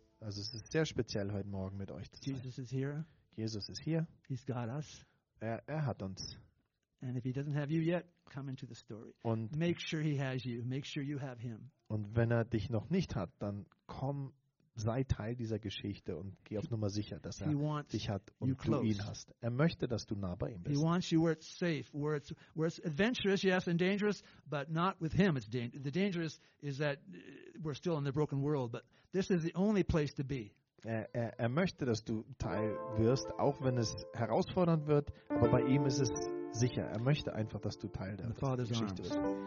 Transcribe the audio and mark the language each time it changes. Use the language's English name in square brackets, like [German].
[German] Also es ist sehr speziell, heute Morgen mit euch zu sein. [English] Jesus is here. [German] Jesus ist hier. [English] He's got us. [German] Er hat uns. [English] And if he doesn't have you yet, come into the story. [German] Und [English] make sure he has you. Make sure you have him. [German] Und wenn er dich noch nicht hat, dann komm, sei Teil dieser Geschichte und geh auf Nummer sicher, dass er dich hat und du [English] close. [German] Ihn hast. Er möchte, dass du nah bei ihm bist. [English] He wants you where it's safe, where it's adventurous, yes, and dangerous, but not with him. It's the dangerous is that we're still in the broken world, but this is the only place to be. [German] Er möchte, dass du Teil wirst, auch wenn es herausfordernd wird, aber bei ihm ist es sicher. Er möchte einfach, dass du Teil der Geschichte bist.